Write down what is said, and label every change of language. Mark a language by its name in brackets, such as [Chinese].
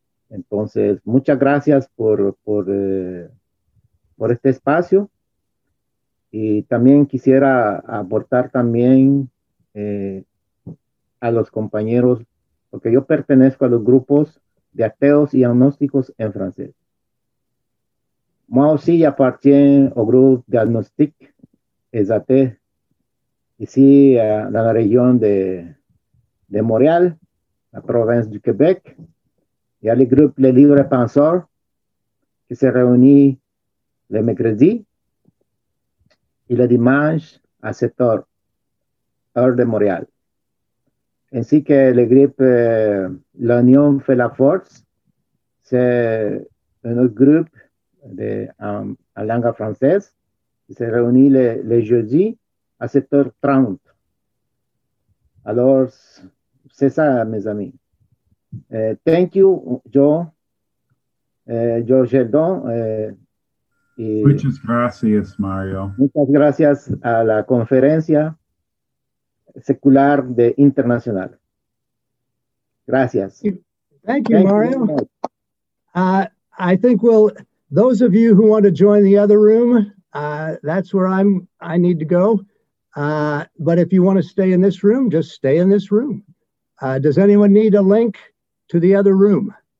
[Spanish] Entonces, muchas gracias por este espacio. Y también quisiera aportar también a los compañeros, porque yo pertenezco a los grupos de ateos y agnósticos en francés. [French] Moi aussi appartiens au groupe d'agnostique et athées. Ici, dans la région de Montréal, la province du Québec, il y a le groupe Les Libres Penseurs qui se réunit le mercredi et le dimanche à 7h, heure de Montréal. Ainsi que le groupe L'Union fait la force, c'est un autre groupe en langue française qui se réunit le jeudi à 7h30. Alors, c'est ça, mes amis. [English] Thank you, Joe Sheldon. [Spanish] Muchas gracias, Mario. Muchas gracias a la conferencia secular de internacional. Gracias. [English] Thank you, Mario. I think we'll, those of you who want to join the other room, that's where I need to go. But if you want to stay in this room, just stay in this room. Does anyone need a link to the other room?